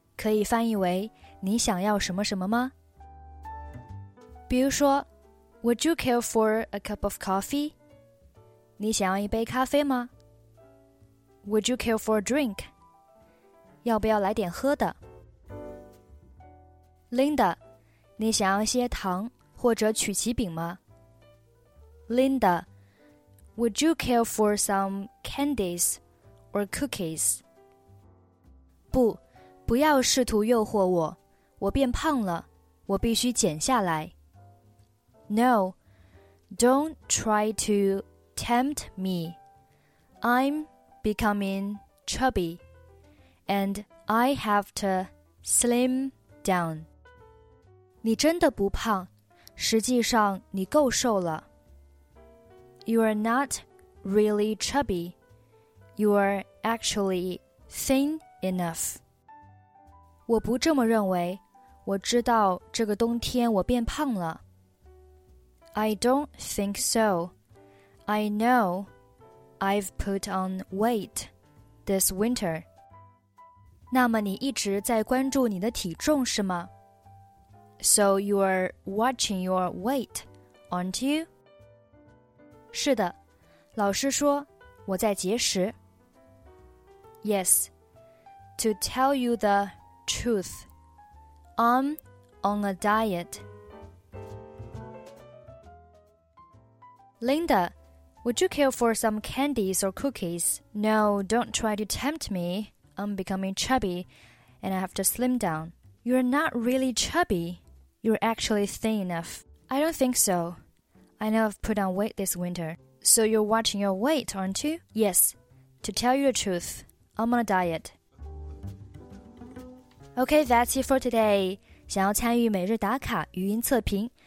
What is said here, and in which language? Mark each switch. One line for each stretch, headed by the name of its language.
Chinese: 可以翻译为你想要什么什么吗？比如说
English: Would you care for a cup of coffee?
Chinese: 你想要一杯咖啡吗?
English: Would you care for a drink?
Chinese: 要不要来点喝的? Linda, 你想要一些糖或者曲奇饼吗?
English: Linda, would you care for some candies or cookies?
Chinese: 不,不要试图诱惑我,我变胖了,我必须减下来。
English: No, don't try to tempt me. I'm becoming chubby, and I have to slim down.
Chinese: 你真的不胖，实际上你够瘦了。
English: You are not really chubby. You are actually thin enough.
Chinese: 我不这么认为，我知道这个冬天我变胖了。
English: I don't think so. I know I've put on weight this winter.
Chinese: 那么你一直在关注你的体重是吗?
English: So you're watching your weight, aren't you?
Chinese: 是的,老师说,我在节食。
English: Yes, to tell you the truth, I'm on a diet. Linda, would you care for some candies or cookies? No, don't try to tempt me. I'm becoming chubby, and I have to slim down. You're not really chubby. You're actually thin enough. I don't think so. I know I've put on weight this winter. So you're watching your weight, aren't you? Yes. To tell you the truth, I'm on a diet. Okay, that's it for today.
Chinese: 想要参与每日打卡、语音测评。